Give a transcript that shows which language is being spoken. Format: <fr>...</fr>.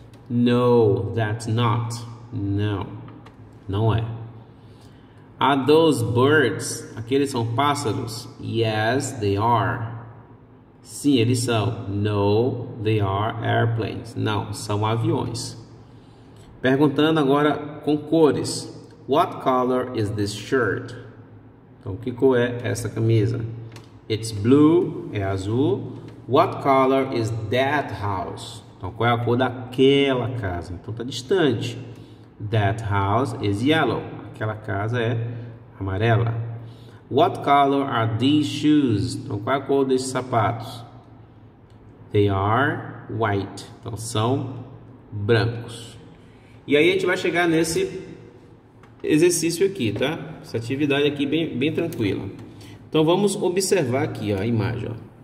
<en>No, that's not.</en> <pt>Não, não é.</pt> <en>Are those birds?</en> <pt>Aqueles são pássaros?</pt> <en>Yes, they are.</en> <pt>Sim, eles são.</pt> <en>No, they are airplanes.</en> <pt>Não, são aviões. Perguntando agora com cores.</pt> <en>What color is this shirt?</en> <pt>Então, que cor é essa camisa?</pt> <en>It's blue,</en> <pt>é azul.</pt> <en>What color is that house?</en> <pt>Então, qual é a cor daquela casa? Então, está distante.</pt> <en>That house is yellow.</en> <pt>Aquela casa é amarela.</pt> <en>What color are these shoes?</en> <pt>Então, qual é a cor desses sapatos?</pt> <en>They are white.</en> <pt>Então, são brancos. E aí, a gente vai chegar nesse exercício aqui, tá? Essa atividade aqui bem, bem tranquila. Então, vamos observar aqui, ó, a imagem, ó.</pt>